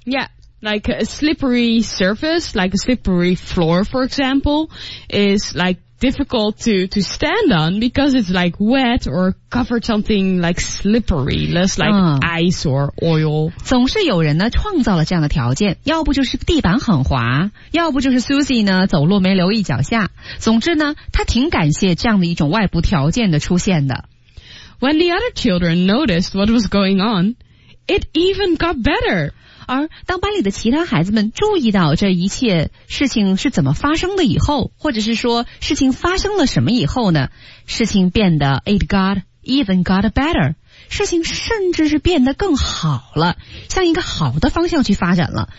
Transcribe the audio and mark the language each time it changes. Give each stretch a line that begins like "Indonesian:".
English: Yeah, like a slippery surface, like a slippery floor, for example, is like difficult to stand on because it's like wet or covered something like slippery, less like ice or oil.
Chinese: 总是有人呢创造了这样的条件，要不就是地板很滑，要不就是 Susie 呢走路没留意脚下。总之呢，她挺感谢这样的一种外部条件的出现的。
English: When the other children noticed what was going on, it even got better.
Chinese: 而当班里的其他孩子们注意到这一切事情是怎么发生的以后，或者是说事情发生了什么以后呢？事情变得
English: it got even got better.
Chinese: 事情甚至是变得更好了，向一个好的方向去发展了。